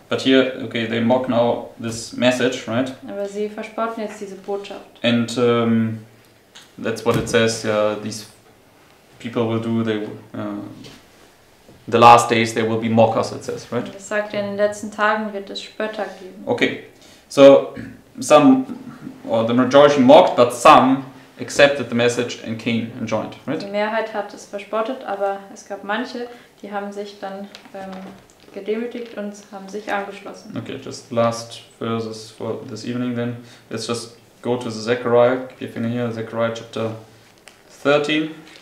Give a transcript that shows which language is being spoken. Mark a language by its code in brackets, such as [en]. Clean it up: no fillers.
[en] But here, okay, they mock now this message, right? [de] Aber sie verspotten jetzt diese Botschaft. [en] And that's what it says. Yeah, these people will do. They the last days they will be mockers. It says, right? [de] Das sagt in den letzten Tagen wird es Spötter geben. [en] Okay, so some or the majority mocked, but some accepted the message and came and joined, right? [de] Die Mehrheit hat es verspottet, aber es gab manche, die haben sich dann gedemütigt und haben sich angeschlossen. [en] Okay, just last verses for this evening then. Let's just go to Zechariah, keep your finger here, Zechariah chapter 13.